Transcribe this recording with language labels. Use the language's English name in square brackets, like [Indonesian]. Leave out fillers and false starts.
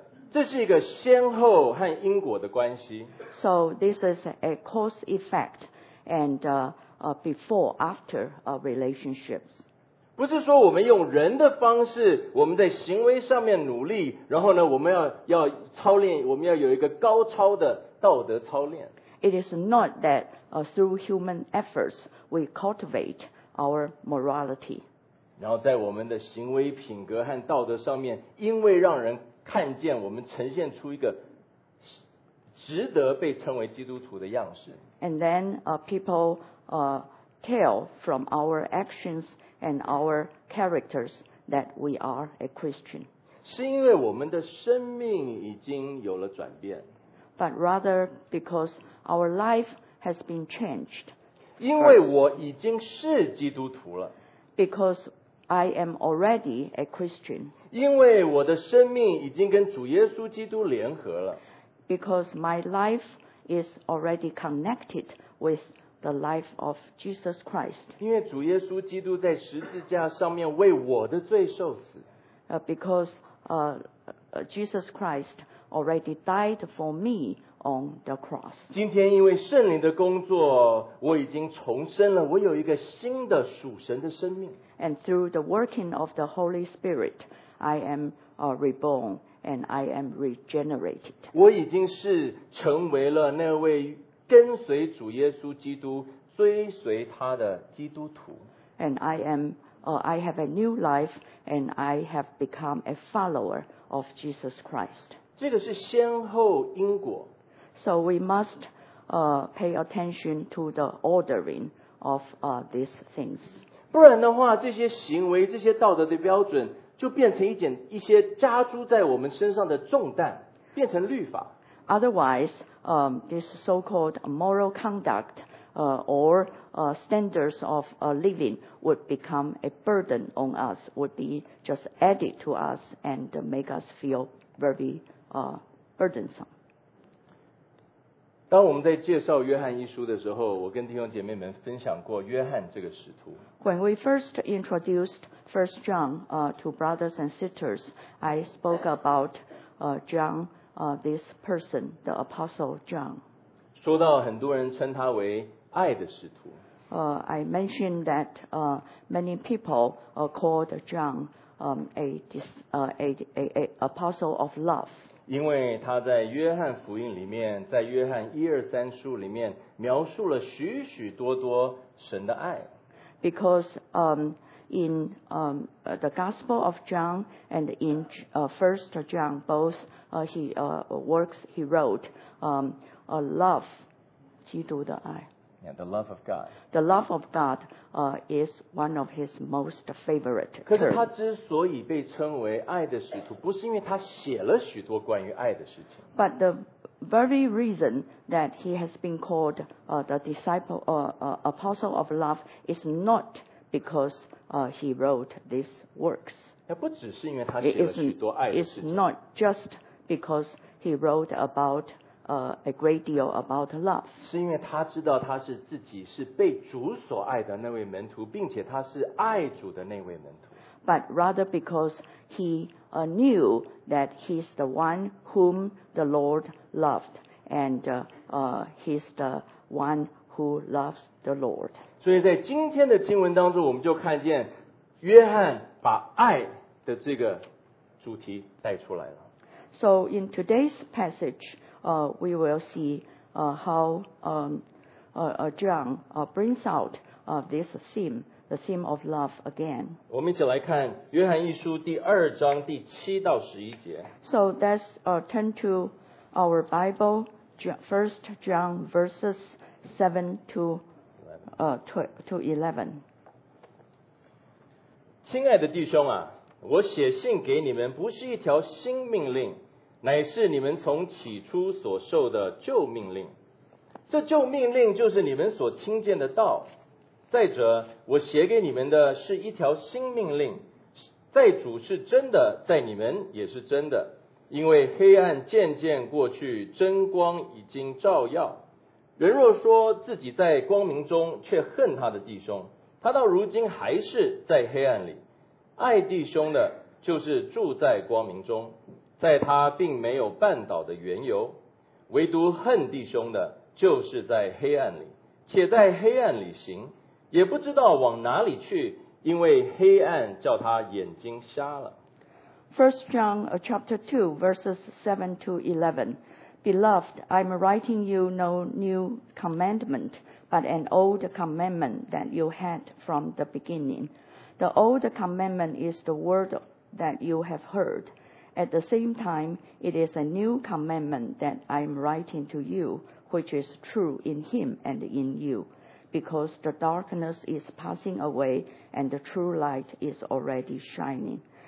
[Chinese] 这是一个先后和因果的关系。 [English] So this is a cause effect and. Before, after relationships. [Chinese] 不是说我们用人的方式，我们在行为上面努力，然后呢，我们要操练，我们要有一个高超的道德操练。 [English] It is not that through human efforts we cultivate our morality. [Chinese] 然后在我们的行为品格和道德上面，因为让人看见我们呈现出一个值得被称为基督徒的样式。 [English] And then people. Tell from our actions and our characters that we are a Christian. [Chinese] 是因为我们的生命已经有了转变。 [English] But rather because our life has been changed. [Chinese] 因为我已经是基督徒了。 [English] Because I am already a Christian. [Chinese] 因为我的生命已经跟主耶稣基督联合了。 [English] Because my life is already connected with. The life of Jesus Christ. [Chinese] 因为主耶稣基督在十字架上面为我的罪受死。 [English] Because Jesus Christ already died for me on the cross. [Chinese] 今天因为圣灵的工作，我已经重生了，我有一个新的属神的生命。 [English] And through the working of the Holy Spirit, I am reborn and I am regenerated. [Chinese] 我已经是成为了那位。跟随主耶稣基督，追随他的基督徒。 [English] And I am, I have a new life, and I have become a follower of Jesus Christ. [Chinese] 这个是先后因果。 [English] So we must, pay attention to the ordering of these things. [Chinese] 不然的话，这些行为、这些道德的标准，就变成一些加诸在我们身上的重担，变成律法。 [English] Otherwise. This so-called moral conduct standards of living would become a burden on us, would be just added to us and make us feel very burdensome. [Chinese] 当我们在介绍约翰一书的时候，我跟弟兄姐妹们分享过约翰这个使徒。 [English] When we first introduced 1 John to brothers and sisters, I spoke about John.This person, the Apostle John. [Chinese] 说到很多人称他为爱的使徒。 [English] I mentioned that many people called John apostle of love. [Chinese] 因为他在约翰福音里面，在约翰一二三书里面描述了许许多多神的爱。 [English] Because in the Gospel of John and in First John, both works he wrote love, [Chinese] 基督的爱。 [English] Yeah, the love of God. The love of God is one of his most favorite terms. [Chinese] 可是他之所以被称为爱的使徒，不是因为他写了许多关于爱的事情。 [English] But the very reason that he has been called the disciple apostle of love is not because he wrote these works. [Chinese] 不只是因为他写了许多爱的事情。 [English] It's not just because he wrote abouta great deal about love. [Chinese] 是因为他知道他是自己是被主所爱的那位门徒，并且他是爱主的那位门徒。 [English] But rather because he knew that he's the one whom the Lord loved, and he's the one who loves the Lord. [Chinese] 所以在今天的经文当中，我们就看见约翰把爱的这个主题带出来了。 [English] So in today's passage,we will see how John brings out this theme, the theme of love again. [Chinese] 我们一起来看约翰一书第二章第七到十一节。 [English] So let's turn to our Bible, First John verses 7 to 11. [Chinese] 亲爱的弟兄啊，我写信给你们不是一条新命令，乃是你们从起初所受的旧命令，这旧命令就是你们所听见的道。再者，我写给你们的是一条新命令，在主是真的，在你们也是真的，因为黑暗渐渐过去，真光已经照耀。人若说自己在光明中，却恨他的弟兄，他到如今还是在黑暗里。爱弟兄的，就是住在光明中，在他并没有绊倒的缘由，唯独恨弟兄的，就是在黑暗里，且在黑暗里行，也不知道往哪里去，因为黑暗叫他眼睛瞎了。 [English] First John chapter 2 verses 7 to 11. Beloved, I'm writing you no new commandment, but an old commandment that you had from the beginning. The old commandment is the word that you have heard. At the same time, it is a new commandment that I am writing to you, which is true in him and in you, because the darkness is passing away and the true light is already shining.